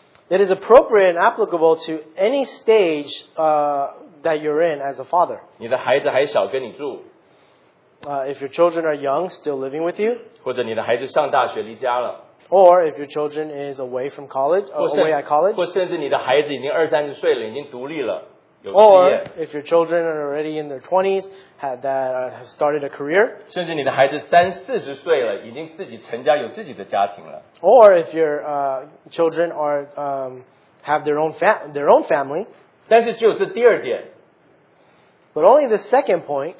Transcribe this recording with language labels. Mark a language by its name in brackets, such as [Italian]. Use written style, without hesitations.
[English] It is appropriate and applicable to any stage that you're in as a father. [Chinese] 你的孩子还小跟你住。 [English] If your children are young, still living with you, [Chinese] 或者你的孩子上大学离家了, [English] or if your children is away from college, [Chinese] 或甚, [English] away at college, [Chinese] 或甚至你的孩子已经二三十岁了, 已经独立了, [English] or if your children are already in their 20s, have started a career, [Chinese] 甚至你的孩子三四十岁了, 已经自己成家, 有自己的家庭了, [English] or if your children are have their own family, [Chinese] 但是只有这第二点, [English] but only the second point